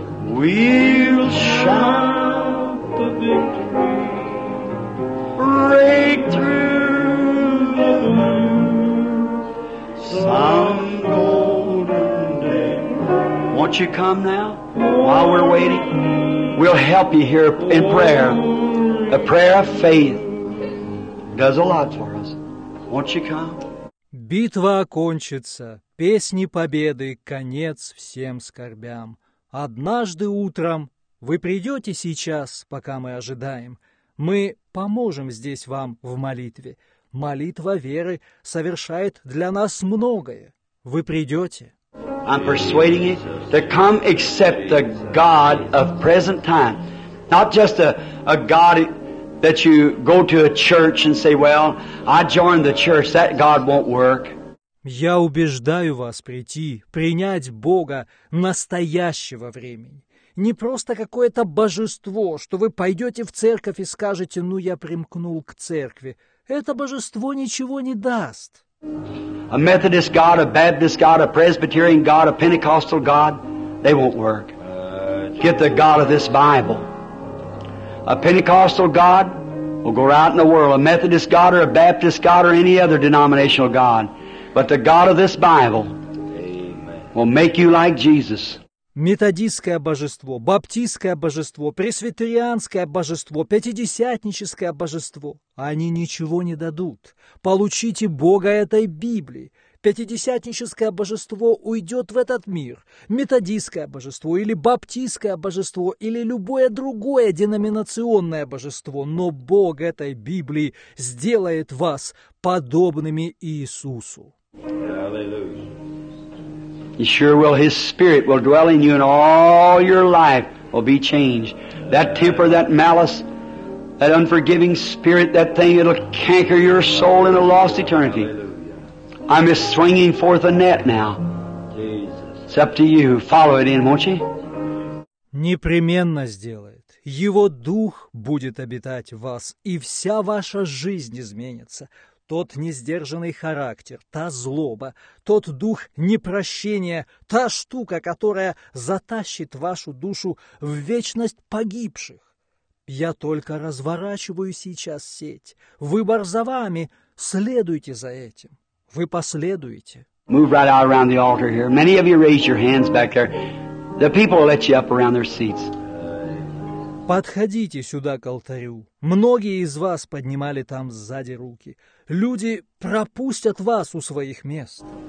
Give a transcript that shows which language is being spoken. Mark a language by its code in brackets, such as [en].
[en] We'll shout the victory, break through the gloom. Some golden day. Won't you come now while we're waiting? We'll help you here in prayer. The prayer of faith does a lot for us. Won't you come? [ru] Битва окончится, песни победы, конец всем скорбям. Однажды утром вы придете сейчас, пока мы ожидаем. Мы поможем здесь вам в молитве. Молитва веры совершает для нас многое. Вы придете. [en] I'm persuading you to come accept the God of present time. Not just a God that you go to a church and say, well, I joined the church, that God won't work. [ru] Я убеждаю вас прийти, принять Бога настоящего времени. Не просто какое-то божество, что вы пойдете в церковь и скажете, ну, я примкнул к церкви. Это божество ничего не даст. [en] A Methodist God, a Baptist God, a Presbyterian God, a Pentecostal God, they won't work. Get the God of this Bible. A Pentecostal God will go out in the world. A Methodist God or a Baptist God or any other denominational God. But the God of this Bible will make you like Jesus. [ru] Методистское божество, баптистское божество, пресвитерианское божество, пятидесятническое божество – они ничего не дадут. Получите Бога этой Библии. Пятидесятническое божество уйдет в этот мир. Методистское божество или баптистское божество или любое другое деноминационное божество. Но Бог этой Библии сделает вас подобными Иисусу. [en] He sure will. His Spirit will dwell in you, and all your life will be changed. That temper, that malice, that unforgiving spirit, that thing, it'll canker your soul in a lost eternity. I'm just swinging forth a net now. It's up to you. Follow it in, won't you? [ru] Непременно сделает. Его Дух будет обитать в вас, и вся ваша жизнь изменится. Тот несдержанный характер, та злоба, тот дух непрощения, та штука, которая затащит вашу душу в вечность погибших. Я только разворачиваю сейчас сеть. Выбор за вами. Следуйте за этим. Вы последуете. [en] Move right out around the altar here. Many of you raise your hands back there. The people will let you up around their seats. [ru] Подходите сюда к алтарю. Многие из вас поднимали там сзади руки. Люди пропустят вас у своих мест.